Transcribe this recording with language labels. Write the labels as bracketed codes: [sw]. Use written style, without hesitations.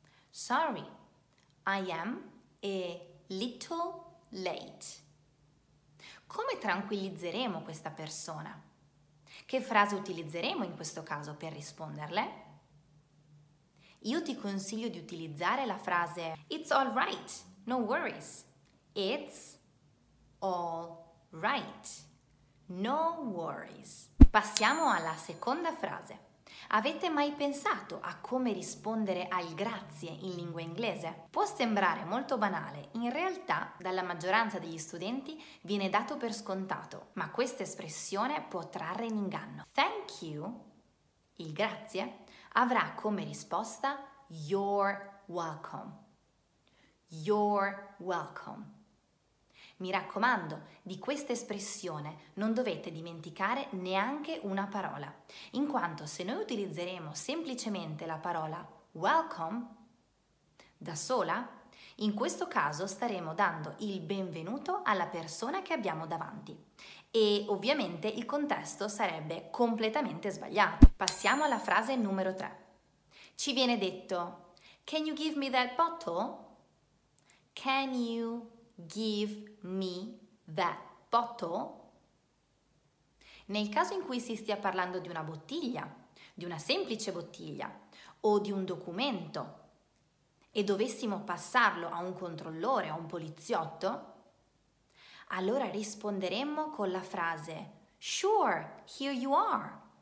[en] Sorry, I am a little late. [it] Come tranquillizzeremo questa persona? Che frase utilizzeremo in questo caso per risponderle? Io ti consiglio di utilizzare la frase [en] It's all right, no worries. It's all right, no worries. [it] Passiamo alla seconda frase. Avete mai pensato a come rispondere al grazie in lingua inglese? Può sembrare molto banale, in realtà dalla maggioranza degli studenti viene dato per scontato, ma questa espressione può trarre in inganno. [en] Thank you, [it] il grazie, avrà come risposta [en] You're welcome. You're welcome. [it] Mi raccomando, di questa espressione non dovete dimenticare neanche una parola, in quanto se noi utilizzeremo semplicemente la parola welcome da sola, in questo caso staremo dando il benvenuto alla persona che abbiamo davanti e ovviamente il contesto sarebbe completamente sbagliato. Passiamo alla frase numero 3. Ci viene detto [en] Can you give me that bottle? Can you give me that bottle? [it] Nel caso in cui si stia parlando di una bottiglia, di una semplice bottiglia o di un documento e dovessimo passarlo a un controllore, a un poliziotto, allora risponderemmo con la frase [en] Sure, here you are.